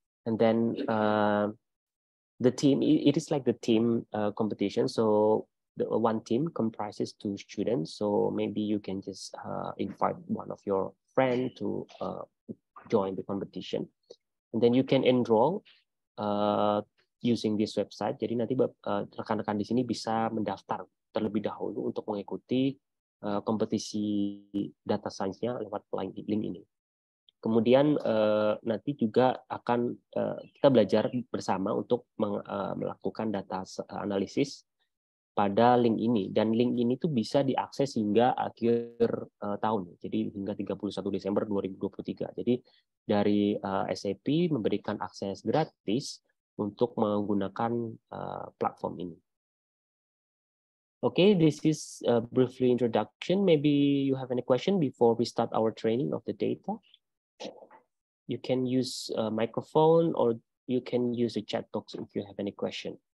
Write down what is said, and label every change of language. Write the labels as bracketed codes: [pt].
[en] And then the team, it is like the team competition. So the one team comprises two students. So maybe you can just invite one of your friend to join the competition. And then you can enroll using this website. [id] Jadi nanti rekan-rekan di sini bisa mendaftar terlebih dahulu untuk mengikuti kompetisi data science-nya lewat link ini. Kemudian nanti juga akan kita belajar bersama untuk melakukan data analisis pada link ini. Dan link ini tuh bisa diakses hingga akhir tahun, jadi hingga 31 Desember 2023. Jadi dari SAP memberikan akses gratis untuk menggunakan platform ini. [en] Okay, this is a briefly introduction. Maybe you have any question before we start our training of the data. You can use a microphone or you can use a chat box if you have any question.